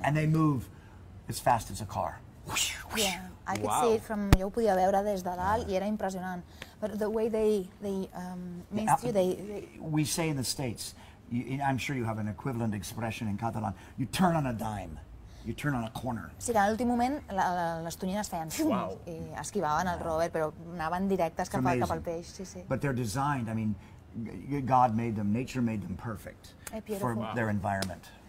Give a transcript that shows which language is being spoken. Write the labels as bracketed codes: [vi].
[en] And they move as fast as a car. Whoosh, whoosh. Yeah, I could see it from, [ca] jo podia veure des de dalt, i era impressionant. [en] But the way they... We say in the States, I'm sure you have an equivalent expression in Catalan, you turn on a dime, you turn on a corner. [ca] Sí, que en l'últim moment les tonyines feien xum, i esquivaven el Robert, però anaven directes cap al peix. Sí, sí. [en] But they're designed, I mean, God made them, nature made them perfect for their environment.